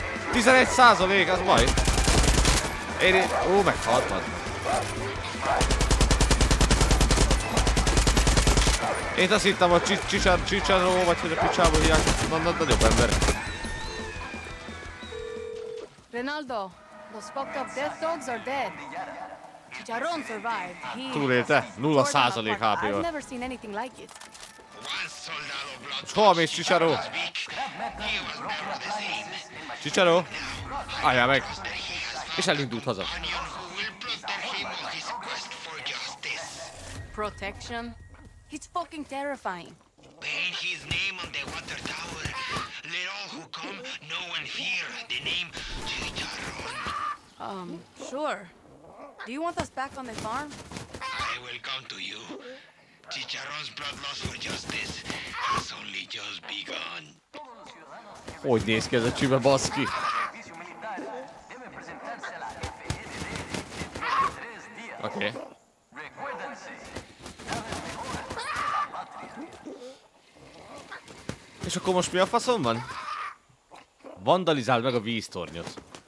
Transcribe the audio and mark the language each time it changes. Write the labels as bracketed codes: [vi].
[hu] Tizenegy százalék, az baj. Éri... Ó, meghalt, bazd meg. Én azt hittem, hogy csicsaró, vagy hogy a picsába hiány, nagyobb ember. [en] Ronaldo, those fucked up death dogs are dead. Chicharrón survived. [hu] Túlélte? 0% HP-val. [en] I've never seen anything like it. [hu] És hova mész, csicsaró? Csicsaró? Álljál meg! És elindult haza. [en] Protection? He's fucking terrifying. Paint his name on the water tower. Let all who come know and fear the name Chicharrón. Sure. Do you want us back on the farm? I will come to you. Chicharrón's blood loss for justice has only just begun. [hu] Hogy néz ki ez a csübe, baszki? Oké. És akkor most mi a faszom van? Vandalizáld meg a víztornyot.